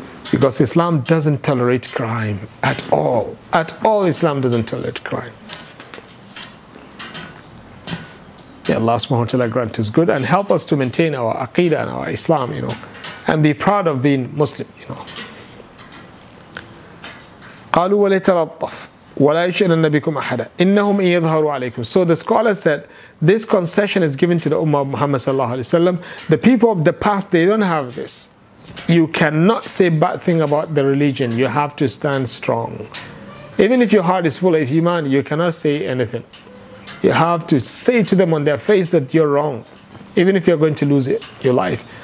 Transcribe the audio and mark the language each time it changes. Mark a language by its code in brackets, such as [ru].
[en] Because Islam doesn't tolerate crime at all. At all, Islam doesn't tolerate crime. May Allah subhanahu wa ta'ala grant us good and help us to maintain our aqidah and our Islam, you know, and be proud of being Muslim, you know. [ar] قالوا وليتلطف ولا يشأن نبيكم أحدا إنهم إن يظهروا عليكم. [en] So the scholar said, this concession is given to the Ummah of Muhammad sallallahu alaihi wasallam. The people of the past, they don't have this. You cannot say bad thing about the religion. You have to stand strong. Even if your heart is full of iman, you cannot say anything. You have to say to them on their face that you're wrong, even if you're going to lose your life.